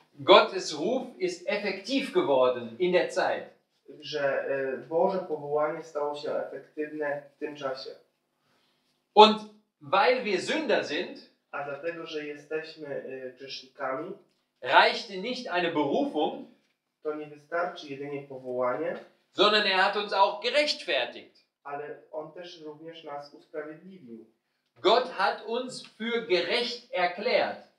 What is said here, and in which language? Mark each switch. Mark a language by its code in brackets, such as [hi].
[de] Gottes Ruf ist effektiv geworden in der Zeit. [pl] Że Boże powołanie stało się efektywne w tym czasie. [de] Und weil wir Sünder sind, [pl] a dlatego, że jesteśmy grzesznikami, [de] reichte nicht eine Berufung, [pl] to nie wystarczy jedynie powołanie, [de] sondern er hat uns auch gerechtfertigt. [pl] Ale on też również nas usprawiedliwił. [de] Gott hat uns für gerecht erklärt.